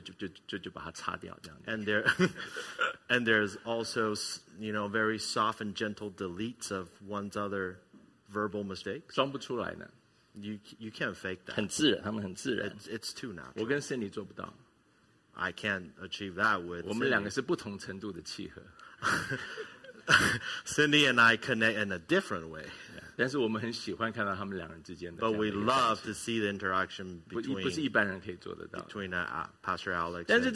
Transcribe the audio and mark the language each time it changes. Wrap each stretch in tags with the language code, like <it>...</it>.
<zh>然后一个人讲话太多，另外人就很温和的就把它擦掉这样。</zh> <en>And there's also, you know, very soft and gentle deletes of one's other verbal mistakes.</en> <zh>装不出来呢。</zh> <en>You can't fake that.</en> <zh>很自然，他们很自然。</zh> <en>It's too natural.</en> <zh>我跟Cindy做不到。</zh> <en>I can't achieve that with.</en> <zh>我们两个是不同程度的契合。</zh> <en>Cindy and I connect in a different way. Yeah. But we love to see the interaction between Pastor Alex.</en>